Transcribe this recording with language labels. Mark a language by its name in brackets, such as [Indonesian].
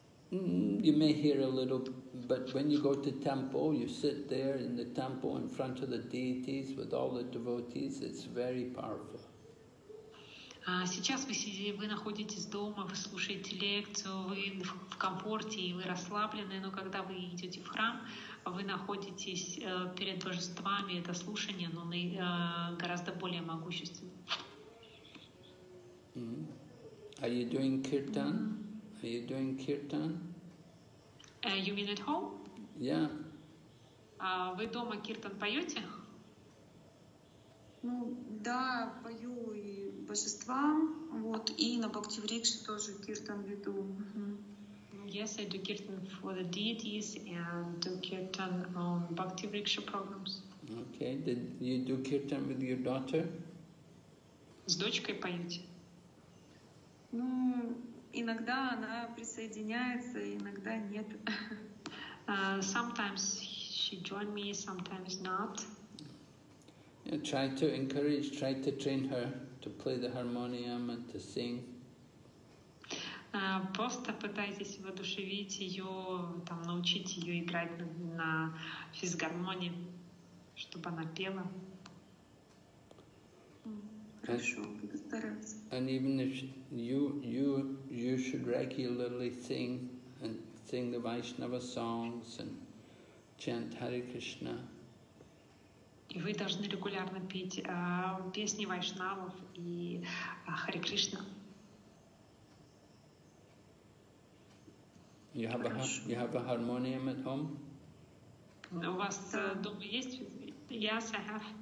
[English] You may hear a little, but when you go to temple, you sit there in the temple in front of the deities with all the devotees, it's very powerful. [Russian] Сейчас вы находитесь дома, вы слушаете лекцию, вы в комфорте, и вы расслаблены, но когда вы идете в храм, вы находитесь перед божествами, это слушание, но гораздо более могущественно. [English] Mm-hmm. Are you doing kirtan? Mm-hmm. Are you doing kirtan? You mean at home? Yeah. [Russian] Вы дома киртан поете? Ну, да, пою и божествам, вот, и на Бхакти-врикше тоже киртан веду. Mm-hmm. [English] Yes, I do kirtan for the deities and do kirtan on Bhakti-vriksha programs. Okay, then you do kirtan with your daughter? [Russian] С дочкой поете? Ну, иногда она присоединяется, иногда нет. [English] Sometimes she joins me, sometimes not. Yeah, try to encourage, try to train her to play the harmonium and to sing. [Russian] Просто пытайтесь воодушевить ее, там, научить ее играть на физгармонии, чтобы она пела. Хорошо, буду стараться. [English] And even if you should regularly sing and sing the Vaishnava songs and chant Hare Krishna. [Russian] И вы должны регулярно петь песни вайшнавов и Харе Кришна. [English] You have a harmonium at home? [Russian] У вас дома есть? [English] Yes, I have.